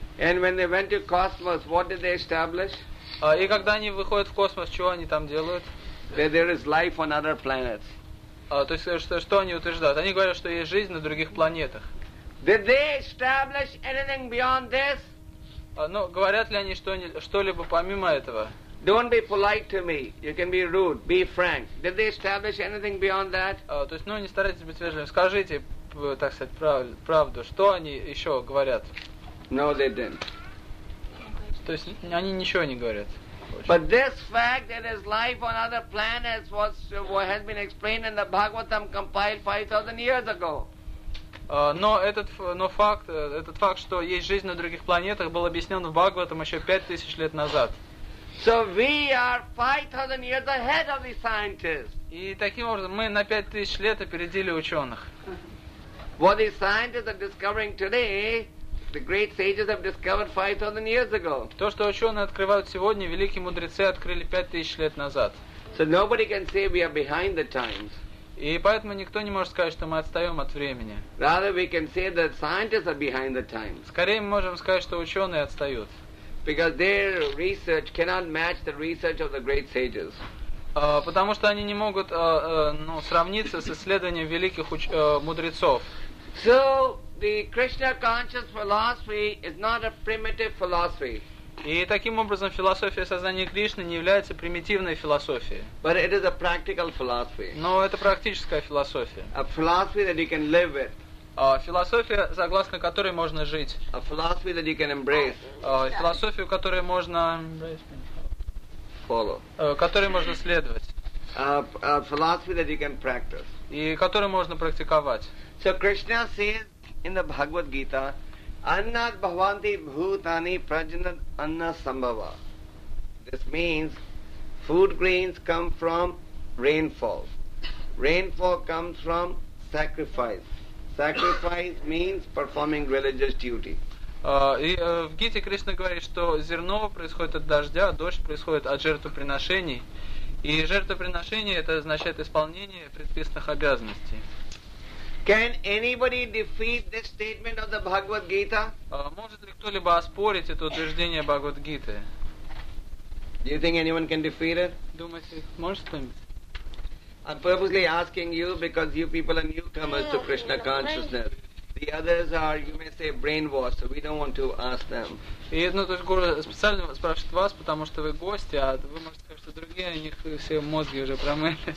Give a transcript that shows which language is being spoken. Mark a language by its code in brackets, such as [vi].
[en] And when they went to cosmos, what did they establish? [ru] И когда они выходят в космос, чего они там делают? [en] That there is life on other planets. [ru] То есть что они утверждают? Они говорят, что есть жизнь на других планетах. [en] Did they establish anything beyond this? [ru] Говорят ли они что-либо помимо этого? [en] Don't be polite to me. You can be rude. Be frank. Did they establish anything beyond that? [ru] Не старайтесь быть вежливым. Скажите, так сказать, правду. Что они еще говорят? [en] No, they didn't. [ru] То есть они ничего не говорят. [en] But this fact that there is life on other planets has been explained in the Bhagavatam compiled 5,000 years ago. [ru] Но факт, что есть жизнь на других планетах, был объяснен в Бхагаватам еще 5000 лет назад. [en] So we are 5000 years ahead of the scientists. [ru] И таким образом мы на 5000 лет опередили ученых. [en] What the scientists are discovering today, the great sages have discovered 5000 years ago. [ru] То, что ученые открывают сегодня, великие мудрецы открыли 5000 лет назад. [en] So nobody can say we are behind the times. [ru] И поэтому никто не может сказать, что мы отстаем от времени. [en] Rather we can say that scientists are behind the times. [ru] Скорее мы можем сказать, что ученые отстают. [en] Because their research cannot match the research of the great sages. [ru] Потому что они не могут сравниться с исследованием великих мудрецов. [en] So the Krishna conscious philosophy is not a primitive philosophy. [ru] И таким образом философия сознания Кришны не является примитивной философией. [en] But it is a practical philosophy. [ru] Но это практическая философия. [en] A philosophy that you can live with. [ru] Философия, согласно которой можно жить. [en] A philosophy that you can embrace. [ru] Философию, которой можно [en] follow. [ru] Которой можно следовать. [en] A philosophy that you can practice. [ru] И которую можно практиковать. [en] So Krishna says in the Bhagavad Gita. [sa] Annat bhavanti bhutani prajnat anna sambhava. [en] This means food grains come from rainfall. Rainfall comes from sacrifice. Sacrifice means performing religious duty. [ru] В Гите Кришна говорит, что зерно происходит от дождя, дождь происходит от жертвоприношений. И жертвоприношение это означает исполнение предписанных обязанностей. [en] Can anybody defeat this statement of the Bhagavad Gita? [ru] Может ли кто-либо оспорить это утверждение Бхагавад Гиты? [en] Do you think anyone can defeat it? [ru] Думаете, может кто-нибудь? [en] I'm purposely asking you because you people are newcomers to Krishna consciousness. The others are, you may say, brainwashed, so we don't want to ask them. [ru] Гуру специально спрашивает вас, потому что вы гости, а вы можете сказать, что другие, у них все мозги уже промыли.